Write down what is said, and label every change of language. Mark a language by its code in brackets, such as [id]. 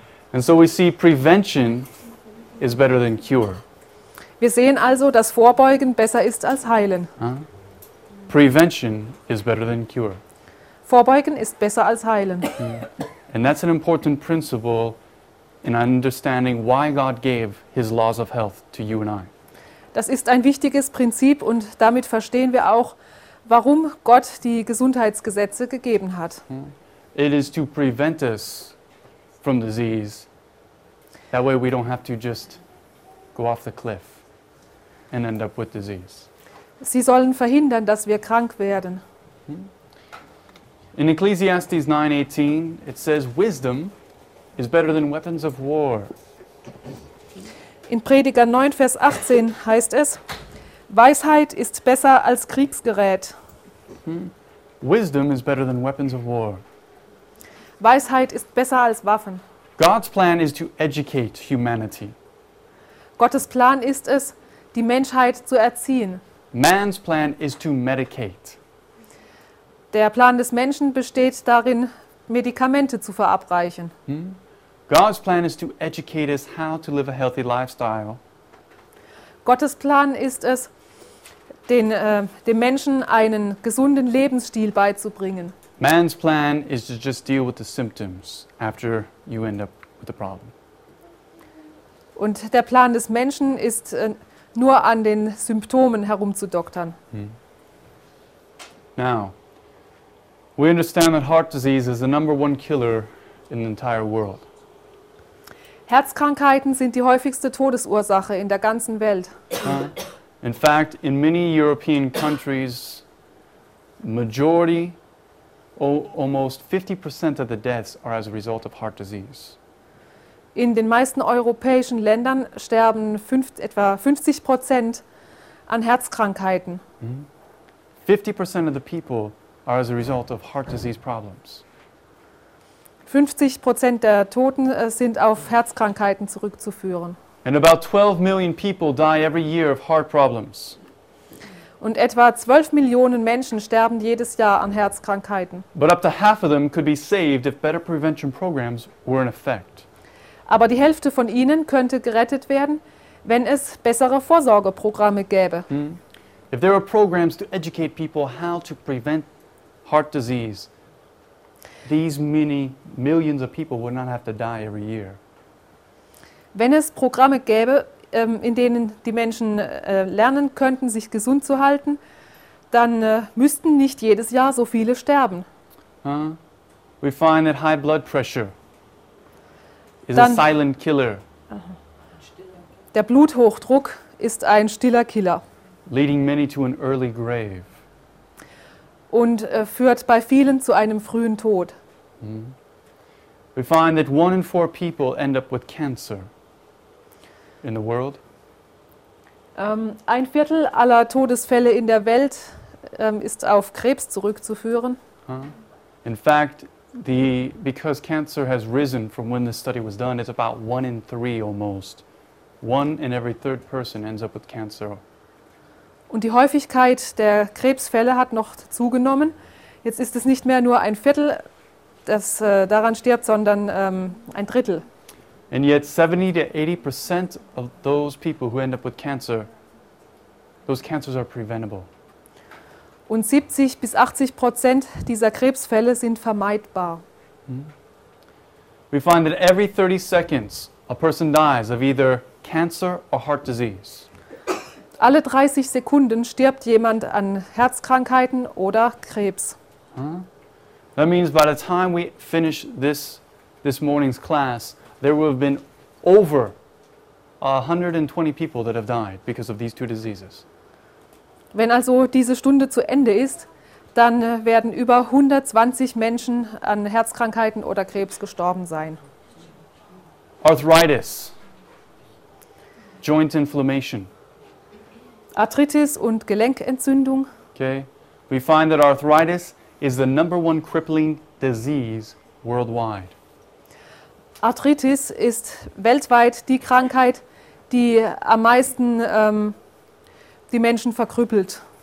[en] And so we see prevention is better than cure. [de] Wir sehen also, dass Vorbeugen besser ist als Heilen. [en] Prevention is better than cure. [de] Vorbeugen ist besser als Heilen. [en] And that's an important principle in understanding why God gave his laws of health to you and I. [de] Das ist ein wichtiges Prinzip und damit verstehen wir auch, warum Gott die Gesundheitsgesetze gegeben hat. [en] It is to prevent us from disease. That way we don't have to just go off the cliff and end up with disease. [de] Sie sollen verhindern, dass wir krank werden. [en] In Ecclesiastes 9:18 it says wisdom is better than weapons of war. [de] In Prediger 9 Vers 18 heißt es, Weisheit ist besser als Kriegsgerät. [en] Wisdom is better than weapons of war. [de] Weisheit ist besser als Waffen. [en] God's plan is to educate humanity. [de] Gottes Plan ist es, die Menschheit zu erziehen. [en] Man's plan is to medicate. [de] Der Plan des Menschen besteht darin, Medikamente zu verabreichen. [en] God's plan is to educate us how to live a healthy lifestyle. [de] Gottes Plan ist es, dem Menschen einen gesunden Lebensstil beizubringen. [en] Man's plan is to just deal with the symptoms after you end up with the problem. [de] Und der Plan des Menschen ist nur an den Symptomen herumzudoktern. [en] Now, we understand that heart disease is the number one killer in the entire world. [de] Herzkrankheiten sind die häufigste Todesursache in der ganzen Welt. [en] In fact, in many European countries, majority almost 50% of the deaths are as a result of heart disease. [de] In den meisten europäischen Ländern sterben etwa 50% an Herzkrankheiten. [en] 50% of the people are as a result of heart disease problems. [de] 50% der Toten sind auf Herzkrankheiten zurückzuführen. [en] And about 12 million people die every year of heart problems. [de] Und etwa 12 Millionen Menschen sterben jedes Jahr an Herzkrankheiten. [en] But up to half of them could be saved if better prevention programs were in effect. [de] Aber die Hälfte von ihnen könnte gerettet werden, wenn es bessere Vorsorgeprogramme gäbe. [en] If there were programs to educate people how to prevent heart disease, these many millions of people would not have to die every year. [de] Wenn es Programme gäbe, in denen die Menschen lernen könnten, sich gesund zu halten, dann müssten nicht jedes Jahr so viele sterben. [en] We find that high blood pressure is a silent killer. [de] Der Bluthochdruck ist ein stiller Killer. [en] Leading many to an early grave. [de] Und führt bei vielen zu einem frühen Tod. [en] We find that 1 in 4 people end up with cancer. In the world? [de] Ein Viertel aller Todesfälle in der Welt ist auf Krebs zurückzuführen. [en] In fact, because cancer has risen from when this study was done, it's about 1 in 3 almost. 1 in every 3 person ends up with cancer. [de] Und die Häufigkeit der Krebsfälle hat noch zugenommen. Jetzt ist es nicht mehr nur ein Viertel, das daran stirbt, sondern ein Drittel. [en] And yet 70-80% of those people who end up with cancer, those cancers are preventable. [de] Und 70-80% dieser Krebsfälle sind vermeidbar. [en] We find that every 30 seconds a person dies of either cancer or heart disease. [de] Alle 30 Sekunden stirbt jemand an Herzkrankheiten oder Krebs. [en] That means by the time we finish this morning's class, there will have been over 120 people that have died because of these two diseases. [de] Wenn also diese Stunde zu Ende ist, dann werden über 120 Menschen an Herzkrankheiten oder Krebs gestorben sein. [en] Arthritis. Joint inflammation. [de] Arthritis und Gelenkentzündung. Okay. [en] We find that arthritis is the number one crippling disease worldwide. [de] Arthritis ist weltweit die Krankheit, die am meisten die Menschen verkrüppelt.